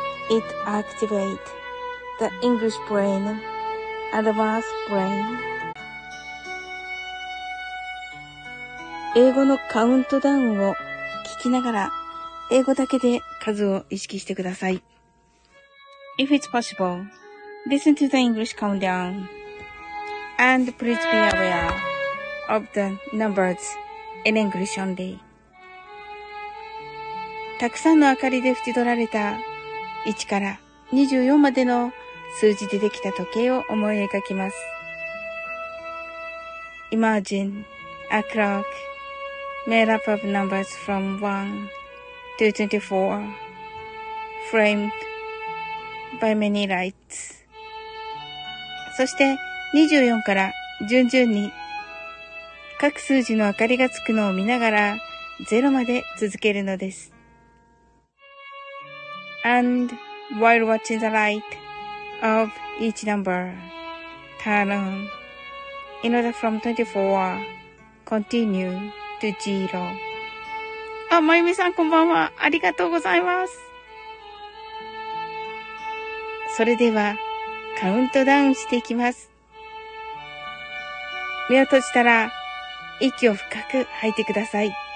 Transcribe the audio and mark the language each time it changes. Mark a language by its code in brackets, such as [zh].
[en] It activates the English brain and the math brain. [ja] 英語のカウントダウンを聞きながら英語だけで数を意識してください。 [en] If it's possible, listen to the English countdown and please be aware of the numbers in English only. [ja] たくさんの明かりで縁取られた1から24までの数字でできた時計を思い描きます。 [en] Imagine a clock made up of numbers from 1 to 24, framed by many lights. [ja] そして24から順々に各数字の明かりがつくのを見ながら0まで続けるのです。 [en] And while watching the light of each number turn on, in order from 24, continue to 0. [ja] あ、まゆみさんこんばんは。ありがとうございます。それでは、カウントダウンしていきます。目を閉じたら、息を深く吐いてください。